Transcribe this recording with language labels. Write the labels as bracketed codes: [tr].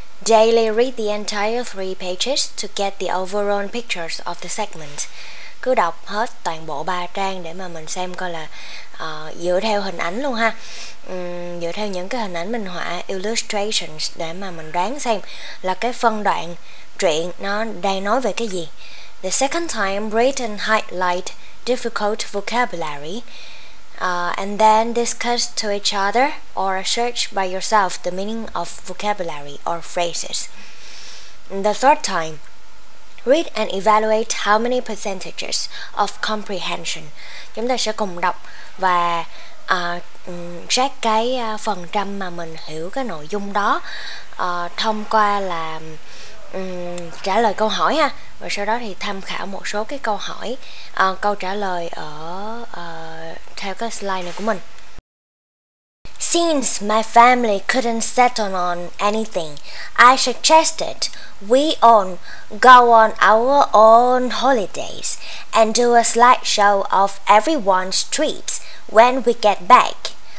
[en] Daily read the entire 3 pages to get the overall pictures of the segment. [vi] Cứ đọc hết toàn bộ 3 trang để mà mình xem coi là dựa theo hình ảnh luôn ha. Dựa theo những cái hình ảnh minh họa, illustrations, để mà mình đoán xem là cái phân đoạn truyện nó đang nói về cái gì. [en] The second time, read and highlight difficult vocabulary and then discuss to each other or search by yourself the meaning of vocabulary or phrases. The third time, read and evaluate how many percentages of comprehension. [vi] Chúng ta sẽ cùng đọc và check cái phần trăm mà mình hiểu cái nội dung đó thông qua là trả lời câu hỏi ha. Và sau đó thì tham khảo một số cái câu hỏi câu trả lời ở theo cái slide này của mình. [en] Since my family couldn't settle on anything, I suggested we all go on our own holidays and do a slideshow of everyone's trips when we get back.